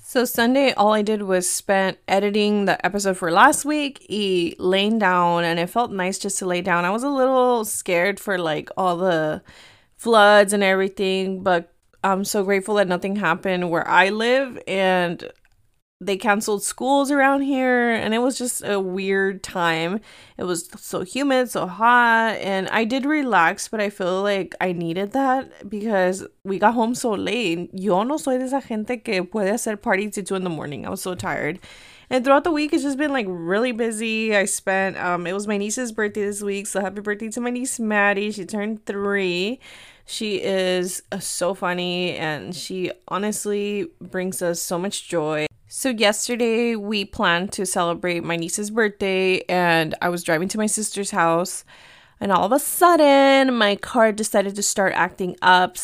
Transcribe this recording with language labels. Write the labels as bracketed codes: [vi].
[en] So Sunday, all I did was spent editing the episode for last week and laying down, and it felt nice just to lay down. I was a little scared for like all the floods and everything, but I'm so grateful that nothing happened where I live, and they canceled schools around here, and it was just a weird time. It was so humid, so hot, and I did relax, but I feel like I needed that because we got home so late. [es] Yo no soy de esa gente que puede hacer [en] party to 2 a.m. I was so tired. And throughout the week, it's just been, like, really busy. I spent, it was my niece's birthday this week, so happy birthday to my niece Maddie. She turned 3. She is so funny, and she honestly brings us so much joy. So yesterday, we planned to celebrate my niece's birthday, and I was driving to my sister's house, and all of a sudden, my car decided to start acting up.